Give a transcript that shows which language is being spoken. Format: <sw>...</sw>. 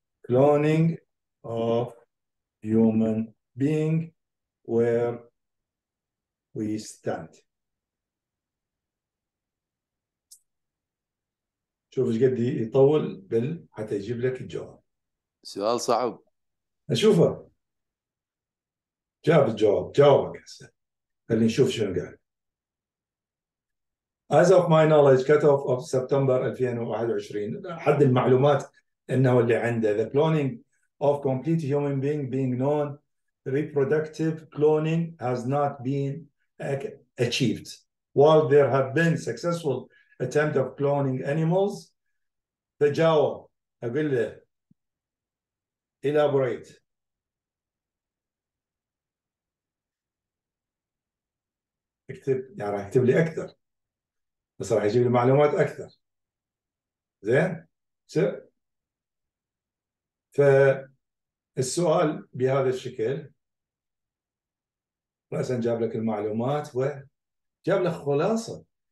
<en>Cloning of human being where we stand.</en> <ar>شوف ايش قد يطول بل حتى يجيب لك الجواب. سؤال صعب. أشوفه جاب الجواب، جاوبك هسه خلينا نشوف شنو قال.</ar> <en>As of my knowledge, cut off of September 2021,</en> <ar>حد المعلومات انه اللي عنده،</ar> <en>the cloning of complete human being being known reproductive cloning has not been achieved. While there have been successful attempts of cloning animals,</en> <ar>تجاوب اقول له</ar> <en>elaborate.</en> <ar>اكتب يعني اكتب لي اكثر بس راح يجيب لي معلومات اكثر. زين فالسؤال بهذا الشكل، راسا جاب لك المعلومات وجاب لك خلاصه.</ar>